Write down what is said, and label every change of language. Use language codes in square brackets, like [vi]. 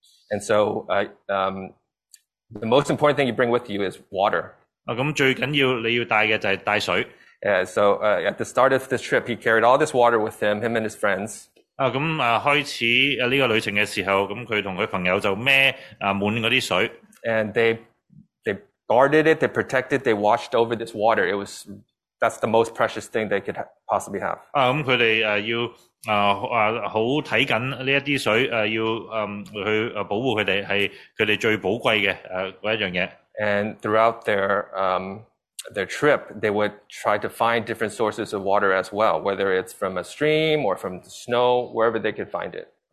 [en] And so the most important thing you bring with you is water. [zh] 最重要你要帶的就是帶水。 [en] Yeah, so at the start of this trip, he carried all this water with him and his friends. [zh] 開始這個旅程的時候,他和他朋友就背滿那些水。 [en] And they guarded it, they protected, they watched over this water. That's the most precious thing they could possibly have. [zh] 他們要很看緊這些水,要去保護他們,是他們最寶貴的一件事。 [en] And throughout their trip, they would try to find different sources of water as well, whether it's from a stream or from the snow, wherever they could find it.